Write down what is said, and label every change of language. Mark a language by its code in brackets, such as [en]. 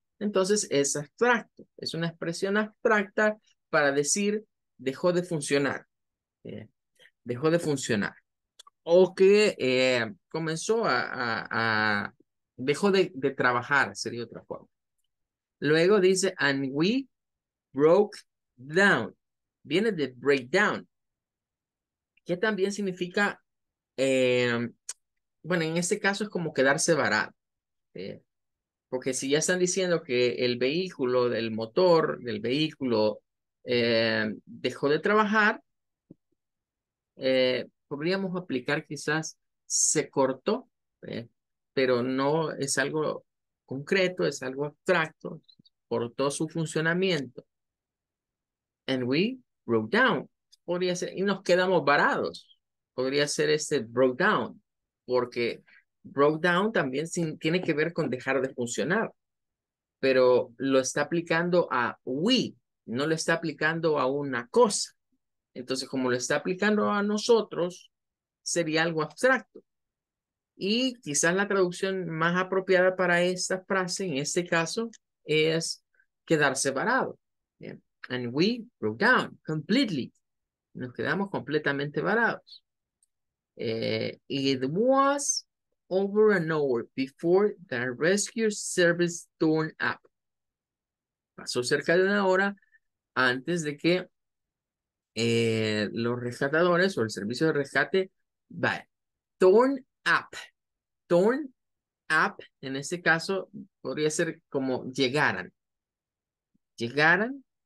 [es] Entonces es abstracto, es una expresión abstracta para decir dejó de funcionar, dejó de funcionar. O que comenzó a dejó de trabajar, sería otra forma. Luego dice, [en] and we broke down. [es] Viene de breakdown, que también significa, bueno, en este caso es como quedarse varado. Porque si ya están diciendo que el vehículo, el motor del vehículo dejó de trabajar, podríamos aplicar quizás se cortó, pero no es algo concreto, es algo abstracto, cortó su funcionamiento. [en] And we broke down. [es] Podría ser, y nos quedamos varados. Podría ser este broke down, porque broke down también tiene que ver con dejar de funcionar, pero lo está aplicando a we, no lo está aplicando a una cosa. Entonces, como lo está aplicando a nosotros, sería algo abstracto. Y quizás la traducción más apropiada para esta frase, en este caso, es quedarse varado. Bien. [en] And we broke down completely. [es] Nos quedamos completamente varados. [en] It was over an hour before the rescue service turned up. [es] Pasó cerca de una hora antes de que los rescatadores o el servicio de rescate vaya. [en] Turned up. Turned up, [es] en este caso, podría ser como llegaran. Llegaran.